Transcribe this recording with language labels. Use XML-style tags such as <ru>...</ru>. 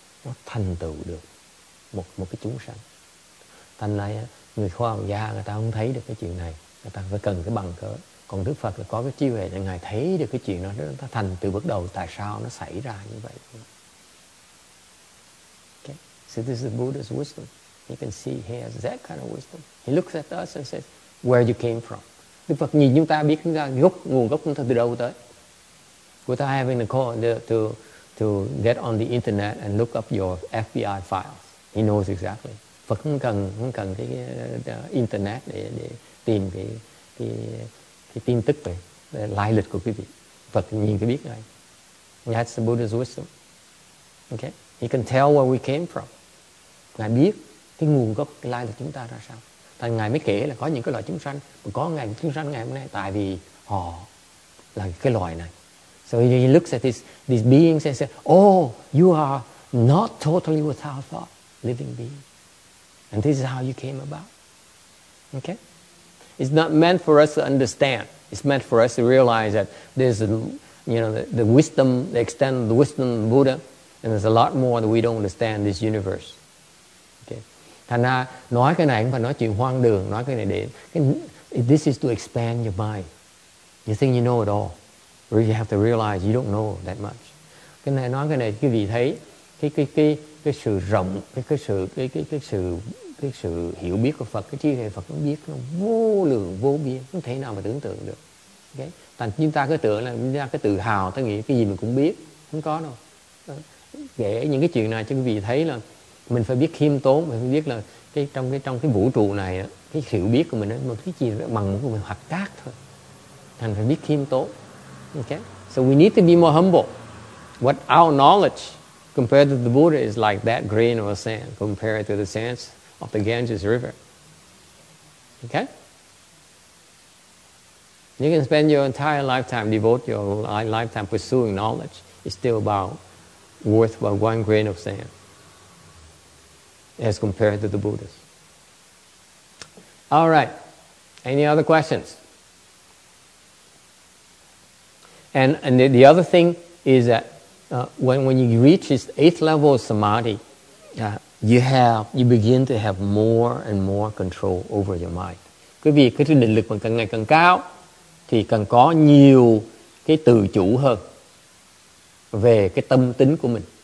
<vi>nó thành tựu được một một cái chúng sanh. Thành ra người khoa học gia người ta không thấy được cái chuyện này, người ta phải cần cái bằng cớ. Còn Đức Phật là có cái trí huệ để ngài thấy được cái chuyện đó, nó thành từ bước đầu tại sao nó xảy ra như vậy.</vi> <en>Okay. So this is Buddha's wisdom. You can see he has that kind of wisdom. He looks at us and says, where you came from?</en> <vi>Đức Phật nhìn chúng ta biết chúng ta gốc, nguồn gốc chúng ta từ đâu tới.</vi> <en>Without having to call to get on the internet and look up your FBI files. He knows exactly.</en> <vi>Phật không cần cái internet để tìm cái tin tức về lai lịch của quý vị. Phật nhìn cái biết ngay.</vi> <en>That's the Buddha's wisdom. Okay? He can tell where we came from.</en> <vi>Ngài biết cái nguồn gốc cái lai lịch chúng ta ra sao. Thì ngài mới kể là có những cái loại chúng sanh, có ngài chúng sanh ngày hôm nay tại vì họ là cái loài này.</vi> <en>So he looks at these beings and says, oh, you are not totally without thought, living being. And this is how you came about. Okay? It's not meant for us to understand. It's meant for us to realize that there's, you know, the wisdom, the extent of the wisdom of the Buddha, and there's a lot more that we don't understand this universe. Okay?</en> <vi>Thành ra, nói cái này không phải nói chuyện hoang đường, nói cái này để...</vi> <en>This is to expand your mind. You think you know it all. Really have to realize you don't know that much.</en> <vi>Cái này nói cái này quý vị thấy cái sự rộng, cái sự hiểu biết của Phật, cái trí tuệ Phật nó biết nó vô lượng vô biên, không thể nào mà tưởng tượng được. Okay? Tại chúng ta cứ tưởng là chúng ta cứ tự hào, ta nghĩ cái gì mình cũng biết, không có đâu. Kể những cái chuyện này cho quý vị thấy là mình phải biết khiêm tốn, mình phải biết là trong cái vũ trụ này cái hiểu biết của mình nó một cái gì bằng của mình hoặc cát thôi. Thành phải biết khiêm tốn.</vi> <en>Okay, so we need to be more humble. What our knowledge compared to the Buddha is like that grain of sand compared to the sands of the Ganges River. Okay, you can spend your entire lifetime, devote your lifetime pursuing knowledge. It's still about worth about one grain of sand as compared to the Buddha's. All right, any other questions? And the other thing is that when you reach this eighth level of samadhi, you begin to have more and more control over your mind.</en> <vi>Quý vị, cái định lực mà càng ngày càng cao, thì càng có nhiều cái tự chủ hơn về cái tâm tính của mình.</vi>